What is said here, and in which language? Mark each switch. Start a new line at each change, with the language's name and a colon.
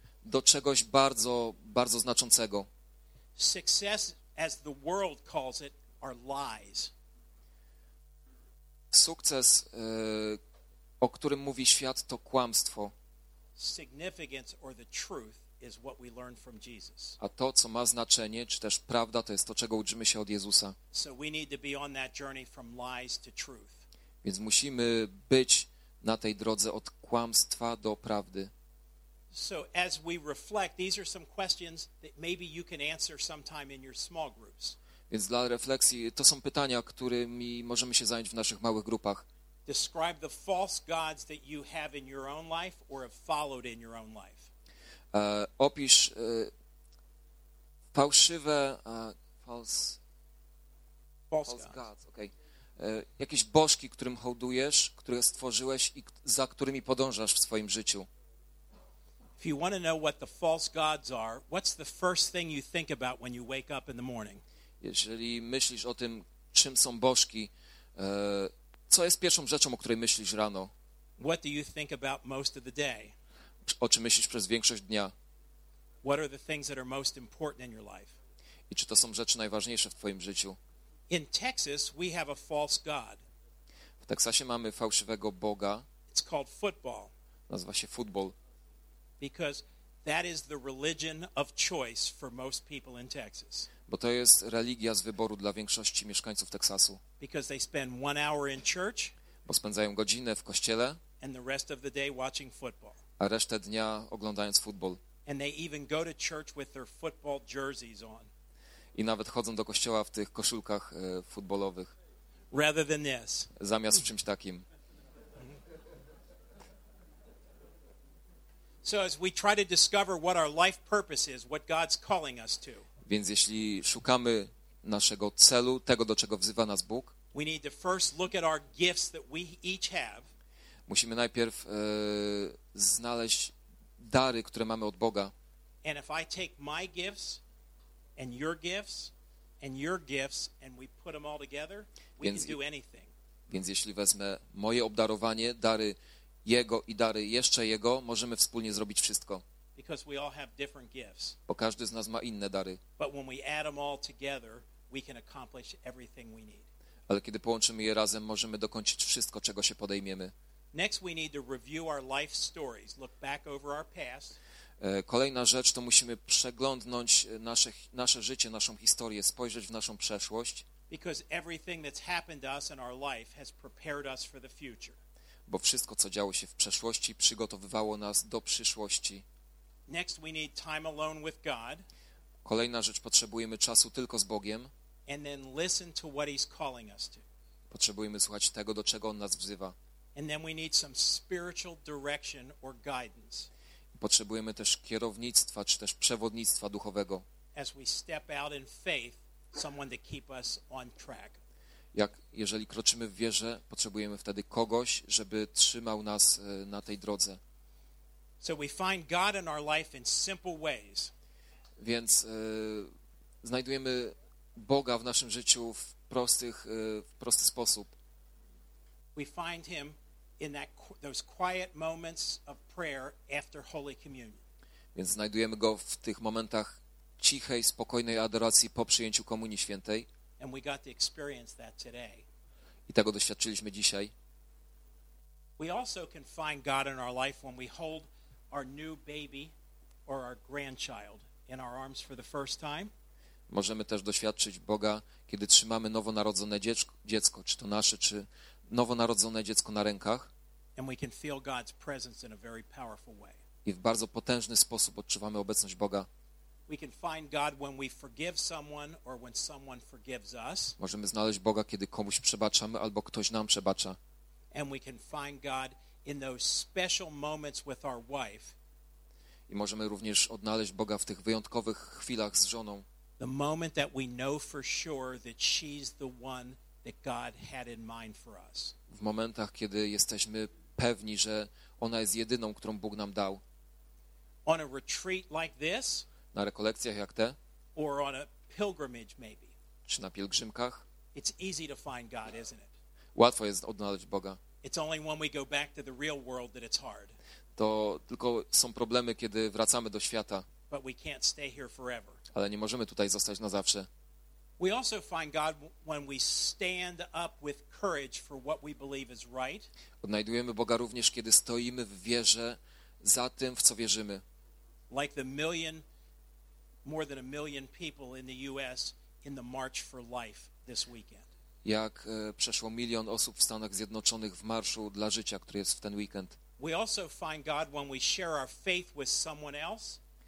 Polish: Do czegoś bardzo, bardzo znaczącego.
English: Success, as the world calls it, are lies.
Polish: Sukces, o którym mówi świat, to kłamstwo.
English: Significance or the truth is what we learn from Jesus.
Polish: A to, co ma znaczenie, czy też prawda, to jest to, czego uczymy się od Jezusa.
English: So we need to be on that journey from lies to truth.
Polish: Więc musimy być na tej drodze od kłamstwa do prawdy.
English: So as we reflect, these are some questions that maybe you can answer sometime in your small groups.
Polish: Więc dla refleksji, to są pytania, którymi możemy się zająć w naszych małych grupach.
English: Describe the false gods that you have in your own life or have followed in your own life.
Polish: Opisz fałszywe
English: false gods.
Polish: Okay. Jakieś bożki, którym hołdujesz, które stworzyłeś i za którymi podążasz w swoim życiu.
English: If you want to know what the false gods are, what's the first thing you think about when you wake up in the morning?
Polish: Jeżeli myślisz o tym, czym są bożki, co jest pierwszą rzeczą, o której myślisz rano?
English: What do you think about most of the day?
Polish: O czym myślisz przez większość dnia?
English: What are the things that are most important in your life?
Polish: I czy to są rzeczy najważniejsze w twoim życiu?
English: In Texas, we have a false god.
Polish: W Teksasie mamy fałszywego boga.
English: It's called football.
Polish: Nazywa się futbol.
English: Because that is the religion of choice for most people in Texas.
Polish: Bo to jest religia z wyboru dla większości mieszkańców Teksasu.
English: Because they spend 1 hour in church.
Polish: Bo spędzają godzinę w kościele.
English: And the rest of the day watching football.
Polish: A resztę dnia oglądając futbol.
English: And they even go to church with their football jerseys on.
Polish: I nawet chodzą do kościoła w tych koszulkach futbolowych.
English: Rather than this.
Polish: Zamiast w czymś takim.
English: So as we try to discover what our life purpose is, what God's calling us to.
Polish: Więc jeśli szukamy naszego celu, tego, do czego wzywa nas Bóg,
English: we need to first look at our gifts that we each have.
Polish: Musimy najpierw znaleźć dary, które mamy od Boga.
English: And if I take my gifts and your gifts and your gifts and we put them all together, we can do anything.
Polish: Więc jeśli wezmę moje obdarowanie, dary jego i dary jeszcze jego, możemy wspólnie zrobić wszystko.
English: Because we all have different gifts.
Polish: Bo każdy z nas ma inne dary.
English: But when we add them all together, we can accomplish everything we need.
Polish: Ale kiedy połączymy je razem, możemy dokończyć wszystko, czego się podejmiemy.
English: Next, we need to review our life stories, look back over our past.
Polish: Kolejna rzecz to musimy przeglądnąć nasze życie, naszą historię, spojrzeć w naszą przeszłość.
English: Because everything that's happened to us in our life has prepared us for the future.
Polish: Bo wszystko, co działo się w przeszłości, przygotowywało nas do przyszłości.
English: Next, we need time alone with God.
Polish: Kolejna rzecz, potrzebujemy czasu tylko z Bogiem.
English: And then listen to what He's calling us to.
Polish: Potrzebujemy słuchać tego, do czego On nas wzywa.
English: And then we need some spiritual direction or guidance.
Polish: Potrzebujemy też kierownictwa, czy też przewodnictwa duchowego.
English: As we step out in faith, someone to keep us on track.
Polish: Jak jeżeli kroczymy w wierze, potrzebujemy wtedy kogoś, żeby trzymał nas na tej drodze.
English: So we find God in our life in simple ways.
Polish: Więc znajdujemy Boga w naszym życiu w prosty sposób.
English: We find him in that, those quiet moments of prayer after Holy Communion.
Polish: Więc znajdujemy go w tych momentach cichej, spokojnej adoracji po przyjęciu Komunii Świętej.
English: And we got to experience that today.
Polish: I tego doświadczyliśmy dzisiaj.
English: We also can find God in our life when we hold our new baby or our grandchild in our arms for the first time.
Polish: Możemy też doświadczyć Boga, kiedy trzymamy nowonarodzone dziecko, czy to nasze, czy nowonarodzone dziecko na rękach.
English: And we can feel God's presence in a very powerful way.
Polish: I w bardzo potężny sposób odczuwamy obecność Boga.
English: We can find God when we forgive someone or when someone forgives us.
Polish: Możemy znaleźć Boga, kiedy komuś przebaczamy albo ktoś nam przebacza.
English: And we can find God in those special moments with our wife.
Polish: I możemy również odnaleźć Boga w tych wyjątkowych chwilach z żoną.
English: The moment that we know for sure that she's the one that God had in mind for us.
Polish: W momentach, kiedy jesteśmy pewni, że ona jest jedyną, którą Bóg nam dał.
English: On a retreat like this?
Polish: Na rekolekcjach jak te?
English: Or on a pilgrimage maybe.
Polish: Czy na pielgrzymkach?
English: It's easy to find God, isn't it?
Polish: Łatwo jest odnaleźć Boga.
English: It's only when we go back to the real world that it's hard.
Polish: To tylko są problemy, kiedy wracamy do świata.
English: But we can't stay here forever.
Polish: Ale nie możemy tutaj zostać na zawsze.
English: We also find God when we stand up with courage for what we believe is right.
Polish: Odnajdujemy Boga również, kiedy stoimy w wierze za tym, w co wierzymy.
English: Like the million, more than a million people in the U.S. in the March for Life this weekend.
Polish: Jak przeszło milion osób w Stanach Zjednoczonych w marszu dla życia, który jest w ten weekend.
English: We also find God when we share our faith with someone else.